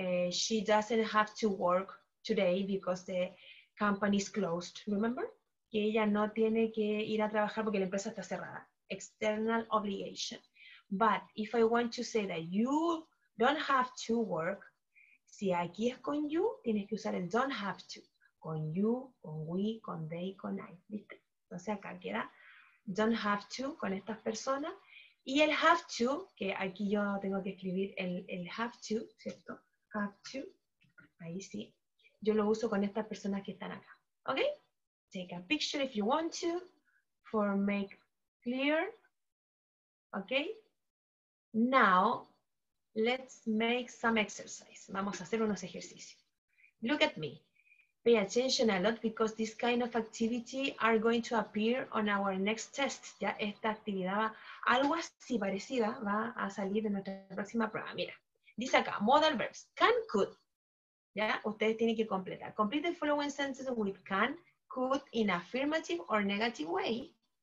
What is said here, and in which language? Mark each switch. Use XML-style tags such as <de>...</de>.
<en>She doesn't have to work today because the company is closed, remember?</en> <es>Que ella no tiene que ir a trabajar porque la empresa está cerrada.</es> <en>External obligation. But if I want to say that you don't have to work,</en> <es>si aquí es con you, tienes que usar el</es> <en>don't have to.</en> <es>Con you, con we, con they, con I. ¿Viste? Entonces acá queda don't have to con estas personas. Y el have to, que aquí yo tengo que escribir el have to, ¿cierto? Have to. Ahí sí. Yo lo uso con estas personas que están acá. ¿Ok?</es> <en>Take a picture if you want to for make clear. ¿Ok? Now, let's make some exercise.</en> <es>Vamos a hacer unos ejercicios.</es> <en>Look at me. Pay attention a lot because this kind of activity are going to appear on our next test.</en> <es>Ya esta actividad va, algo así parecida va a salir en nuestra próxima prueba. Mira, dice acá, modal verbs. Can, could. Ya, ustedes tienen que completar.</es> <en>Complete the following sentences with can, could, in affirmative or negative way.</en>